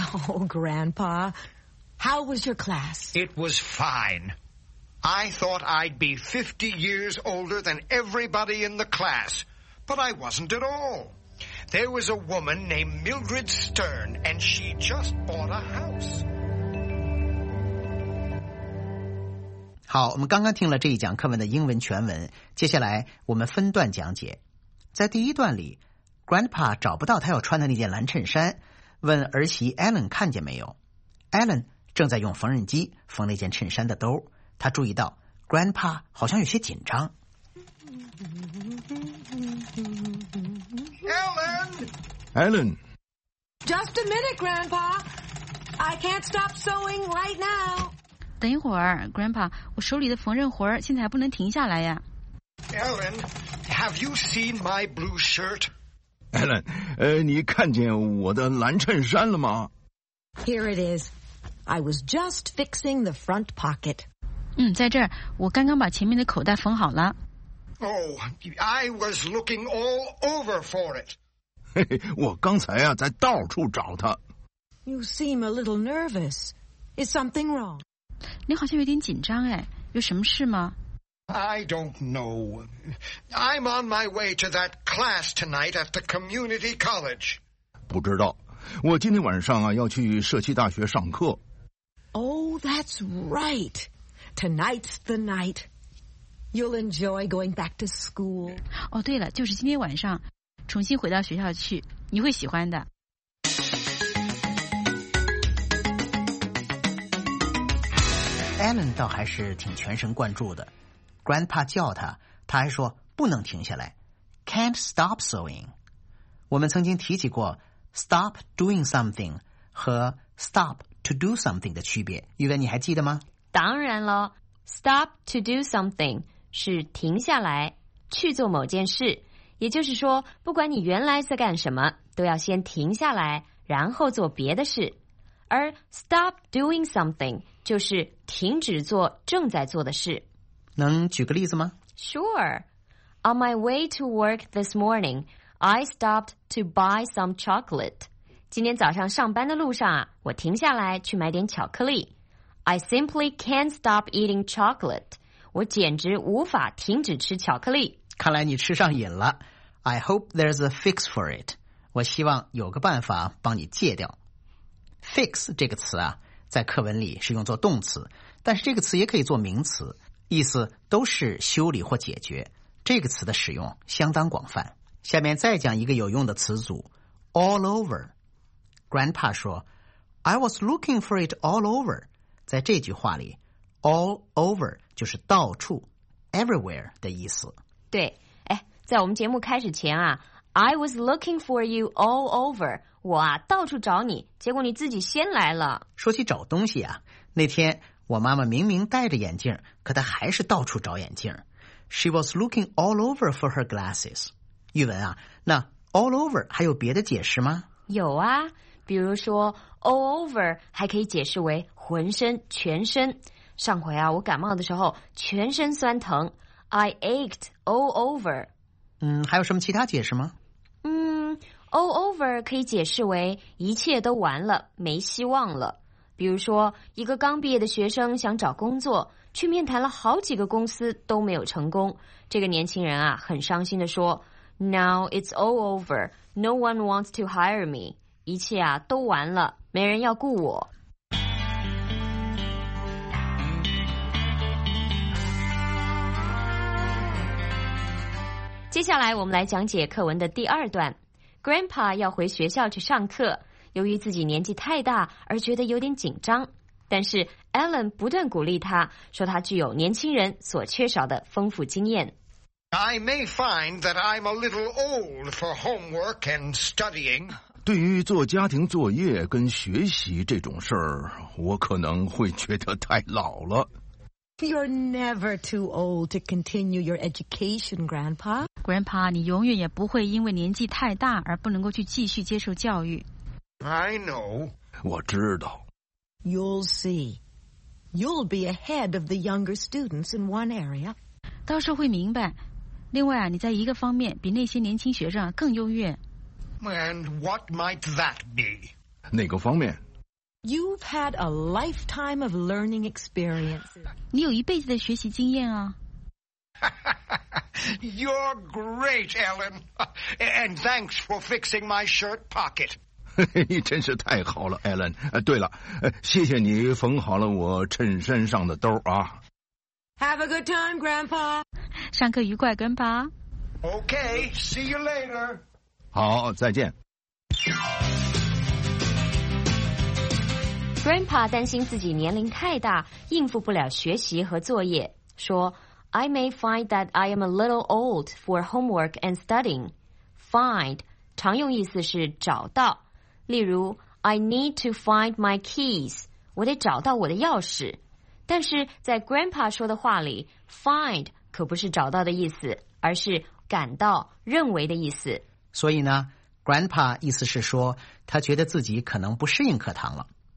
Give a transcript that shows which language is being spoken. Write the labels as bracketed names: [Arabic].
[English] Oh, Grandpa. How was your class? It was fine. I thought I'd be 50 years older than everybody in the class, but I wasn't at all. There was a woman named Mildred Stern, and she just bought a house. [Chinese] 好，我们刚刚听了这一讲课文的英文全文，接下来我们分段讲解。在第一段里， Grandpa 找不到他要穿的那件蓝衬衫，问儿媳 Ellen 看见没有。 Ellen 正在用缝纫机缝那件衬衫的兜，他注意到 Grandpa 好像有些紧张。 [English] Ellen! Just a minute, Grandpa. I can't stop sewing right now. [Chinese] 等一会儿 Grandpa, 我手里的缝纫活现在还不能停下来呀。 [English] Ellen, have you seen my blue shirt? [Chinese] Ellen, 你看见我的蓝衬衫了吗？ [English] Here it is. I was just fixing the front pocket. [Chinese] 嗯，在这儿，我刚刚把前面的口袋缝好了。 [English] Oh, I was looking all over for it. [Chinese] 我刚才啊，在到处找它。 [English] You seem a little nervous. Is something wrong? [Chinese] 你好像有点紧张哎，有什么事吗？ [English] I don't know. I'm on my way to that class tonight at the community college. [Chinese] 不知道，我今天晚上啊，要去社区大学上课。 [English] Oh, that's right. Tonight's the night. You'll enjoy going back to school. [Chinese] 哦，对了，就是今天晚上，重新回到学校去，你会喜欢的。 Ellen 倒还是挺全神贯注的。Grandpa 叫他，他还说不能停下来 ， [English] Can't stop sewing. [Chinese] 我们曾经提起过 stop doing something 和 stop to do something 的区别，玉文你还记得吗？当然了 ,stop to do something 是停下来去做某件事。也就是说不管你原来在干什么都要先停下来然后做别的事。而 stop doing something 就是停止做正在做的事。能举个例子吗 [English] ?Sure. On my way to work this morning, I stopped to buy some chocolate. [Chinese] 今天早上上班的路上啊我停下来去买点巧克力。 [English] I simply can't stop eating chocolate. [Chinese] 我简直无法停止吃巧克力。看来你吃上瘾了。 [English] I hope there's a fix for it. [Chinese] 我希望有个办法帮你戒掉。Fix 这个词啊，在课文里是用作动词，但是这个词也可以做名词，意思都是修理或解决。这个词的使用相当广泛。下面再讲一个有用的词组 ,all over. Grandpa 说 , [English] I was looking for it all over. [Chinese] 在这句话里 ,all over 就是到处 ,everywhere 的意思。对，哎，在我们节目开始前啊 , [English] I was looking for you all over, [Chinese] 我啊到处找你，结果你自己先来了。说起找东西啊，那天我妈妈明明戴着眼镜，可她还是到处找眼镜。 [English] She was looking all over for her glasses. [Chinese] 玉文啊，那 all over 还有别的解释吗？有啊。比如说 all over 还可以解释为浑身全身。上回啊我感冒的时候全身酸疼 , [English] I ached all over。 [Chinese] 嗯还有什么其他解释吗？嗯 ,all over 可以解释为一切都完了没希望了。比如说一个刚毕业的学生想找工作去面谈了好几个公司都没有成功。这个年轻人啊很伤心地说 , [English] Now it's all over,No one wants to hire me. [Chinese] 一切啊都完了没人要雇我。接下来我们来讲解课文的第二段。Grandpa 要回学校去上课，由于自己年纪太大而觉得有点紧张，但是 Ellen 不断鼓励他，说他具有年轻人所缺少的丰富经验。 [English] I may find that I'm a little old for homework and studying. [Chinese] 对于做家庭作业跟学习这种事儿，我可能会觉得太老了。 [English] You're never too old to continue your education, Grandpa. [Chinese] Grandpa, 你永远也不会因为年纪太大而不能够去继续接受教育。 [English] I know. [Chinese] 我知道。 [English] You'll see. You'll be ahead of the younger students in one area. [Chinese] 到时候会明白。另外啊，你在一个方面比那些年轻学生更优越。 [English] And what might that be? [Chinese] 哪个方面？ [English] You've had a lifetime of learning experiences. [Chinese] 你有一辈子的学习经验啊。 [English] You're great, Ellen. And thanks for fixing my shirt pocket. [Chinese] 你真是太好了 ,Ellen。对了，谢谢你缝好了我衬衫上的兜啊。 [English] Have a good time, Grandpa. [Chinese] 上课愉快，跟爸。 [English] Okay, see you later. [Chinese] 好，再见。 Grandpa 担心自己年龄太大，应付不了学习和作业，说 [English] I may find that I am a little old for homework and studying. [Chinese] Find, 常用意思是找到。例如 [English] I need to find my keys, [Chinese] 我得找到我的钥匙。但是在 Grandpa 说的话里 find 可不是找到的意思，而是感到、认为的意思。所以呢 Grandpa 意思是说他觉得自己可能不适应课堂了。